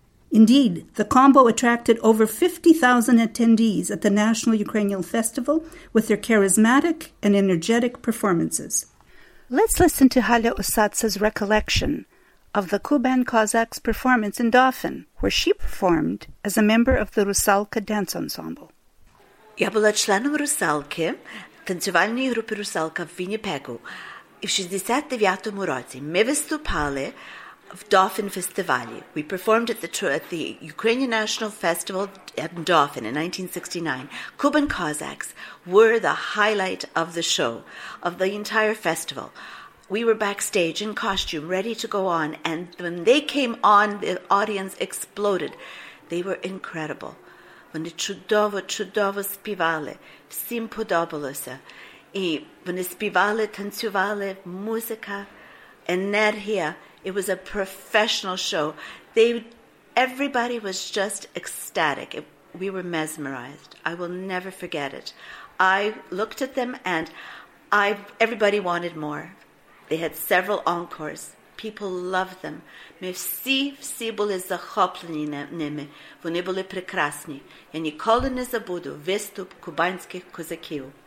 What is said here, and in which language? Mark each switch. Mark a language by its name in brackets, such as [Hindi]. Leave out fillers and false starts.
[English] Indeed, the combo attracted over 50,000 attendees at the National Ukrainian Festival with their charismatic and energetic performances. Let's listen to Halya Osatsa's recollection of the Kuban Cossacks' performance in Dauphin, where she performed as a member of the Rusalka dance ensemble. [Ukrainian] Я була членом Русалки, танцювальної групи Русалка в Вінніпегу. І в 69-му році ми виступали в Dauphin фестивалі. [English] We performed at the Ukrainian National Festival in Dauphin in 1969. Kuban Cossacks were the highlight of the show, of the entire festival. We were backstage in costume, ready to go on, and when they came on, the audience exploded. They were incredible. [Ukrainian] Вони чудово, чудово співали, всім подобалося. І вони співали, танцювали, музика, енергія. [English] It was a professional show. Everybody was just ecstatic. We were mesmerized. I will never forget it. I looked at them and everybody wanted more. They had several encores. People loved them. [Ukrainian] Ми всі були захоплені ними. Вони були прекрасні. Я ніколи не забуду виступ кубанських козаків.